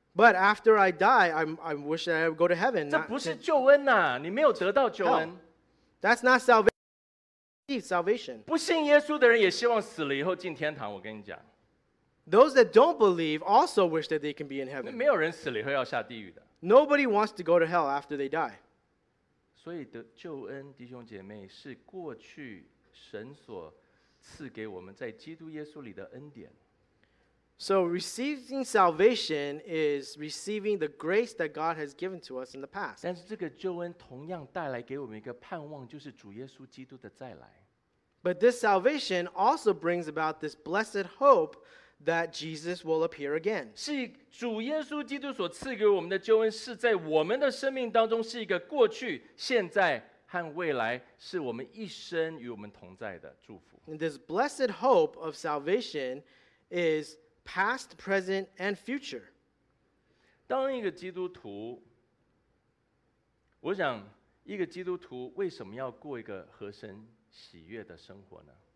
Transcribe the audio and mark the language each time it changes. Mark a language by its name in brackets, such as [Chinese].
[English] But after I die, I wish that I would go to heaven. [Chinese] 这不是救恩啊，你没有得到救恩。 [English] That's not salvation. [Chinese] 不信耶稣的人也希望死了以后进天堂，我跟你讲。 [English] Those that don't believe also wish that they can be in heaven. [Chinese] 没有人死了以后要下地狱的。 [English] Nobody wants to go to hell after they die. [Chinese] 所以的救恩，弟兄姐妹，是过去神所赐给我们在基督耶稣里的恩典。 [English] So receiving salvation is receiving the grace that God has given to us in the past. [Chinese] 但是这个救恩同样带来给我们一个盼望，就是主耶稣基督的再来。 [English] But this salvation also brings about this blessed hope that Jesus will appear again. [Chinese] 是主耶稣基督所赐给我们的救恩，是在我们的生命当中是一个过去、现在和未来，是我们一生与我们同在的祝福。 [English] And this blessed hope of salvation is past, present, and future. [Chinese] 当一个基督徒，我想一个基督徒为什么要过一个合神喜悦的生活呢？